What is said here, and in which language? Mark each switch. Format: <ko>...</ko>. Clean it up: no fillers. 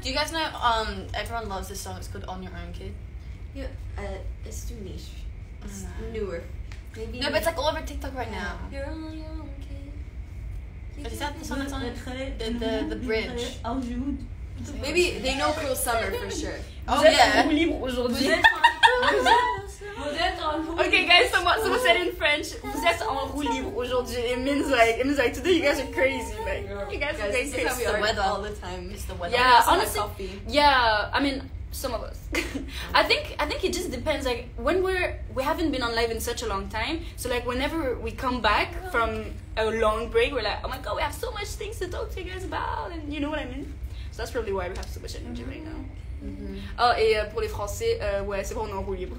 <en>Do you guys know, everyone loves this song, it's called On Your Own Kid? Yeah, it's too niche. It's newer. Maybe. No, but it's like all over TikTok right now. You're on your own kid. Is that the song that's on the bridge? Maybe they know Cruel Summer for sure. Oh yeah. Okay guys, someone said in French,</en> <fr>vous êtes en roue libre aujourd'hui.</fr> <en>It means like today you guys are crazy. Like, yeah. You guys are crazy. It's the weather all the time. It's the weather. Yeah, honestly. Coffee. Yeah, I mean, some of us. I think it just depends. Like when we haven't been on live in such a long time. So like whenever we come back from a long break, we're like, oh my god, we have so much things to talk to you guys about, and you know what I mean. So that's probably why we have so much energy mm-hmm. right now. Mm-hmm.</en> <fr>Oh, et pour les Français, ouais, c'est bon, on est en roue libre.</fr>